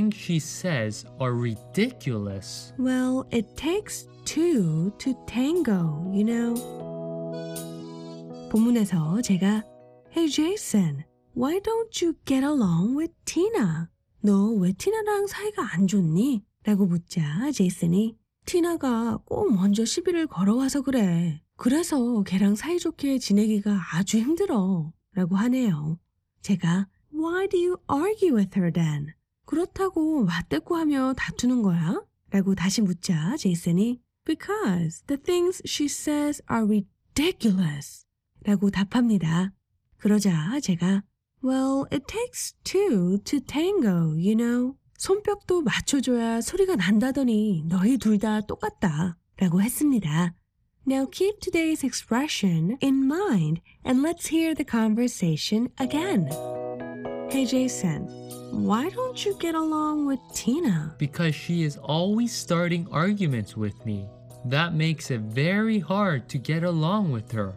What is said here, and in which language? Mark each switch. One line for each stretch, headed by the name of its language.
English: Before we find out what today's expression, it takes two to tango means, let's listen to a conversation I had with Jason. Listen carefully. Hey Jason, why don't you get along with Tina? Because she is always starting arguments with me. That makes it very hard to get along with her. Why do you argue with her then? Because the things she says are ridiculous. Well, it takes two to tango, you know.
Korean: 본문에서 제가
English: Hey Jason, why don't you get along with Tina?
Korean: 너 왜 티나랑 사이가 안 좋니? 라고 묻자 제이슨이 티나가 꼭 먼저 시비를 걸어와서 그래. 그래서 걔랑 사이좋게 지내기가 아주 힘들어. 라고 하네요. 제가
English: Why do you argue with her then?
Korean: 그렇다고 맞대꾸하며 다투는 거야? 라고 다시 묻자 제이슨이
English: Because the things she says are ridiculous.
Korean: 라고 답합니다. 그러자 제가
English: Well, it takes two to tango, you know.
Korean: 손뼉도 맞춰줘야 소리가 난다더니 너희 둘 다 똑같다. 라고 했습니다.
English: Now keep today's expression in mind and let's hear the conversation again. Hey Jason, why don't you get along with Tina? Because she is always starting arguments with me. That makes it very hard to get along with her.